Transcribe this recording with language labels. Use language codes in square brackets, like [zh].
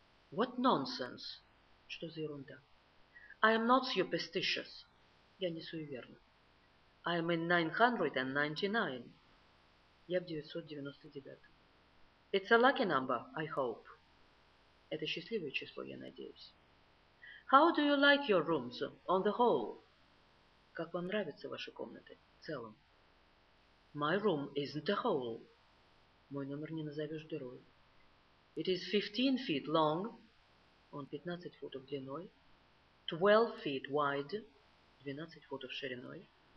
[en] What nonsense. [ru] Что за ерунда? [en] I am not superstitious. [ru] Я не суеверна. [en] I am in 999. [ru] Я в 999. [en] It's a lucky number, I hope. [ru] Это счастливое число, я надеюсь. [en] How do you like your rooms on the whole? [ru] Как вам нравятся ваши комнаты в целом? [en] My room isn't a hole. [ru] Мой номер не назовешь дырой. [en] It is 15 feet long. [ru] Он 15 футов длиной. [en] 12 feet wide. [ru] 12 футов шириной.